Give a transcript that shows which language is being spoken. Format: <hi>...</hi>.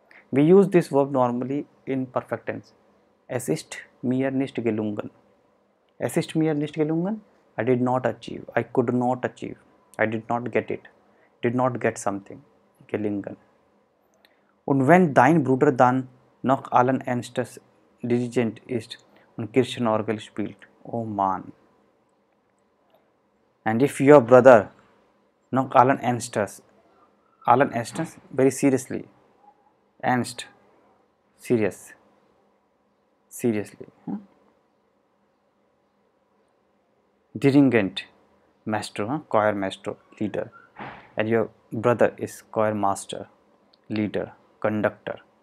<en>We use this verb normally in perfect tense.</en> <de>Es ist mir nicht gelungen. Assist mir nicht gelungen,</de> <en>I did not achieve, I could not achieve, I did not get it, did not get something, gelungen.</en> <de>Und wenn dein Bruder dann noch allen Ernstes Dirigent ist und Kirchenorgel spielt, oh man.</de> <en>And if your brother</en> <de>noch allen Ernstes,</de> <en>very seriously, Ernst, serious, seriously. Hmm? Dirigent, master, huh? Choir master, leader, and your brother is choir master, leader, conductor.</en>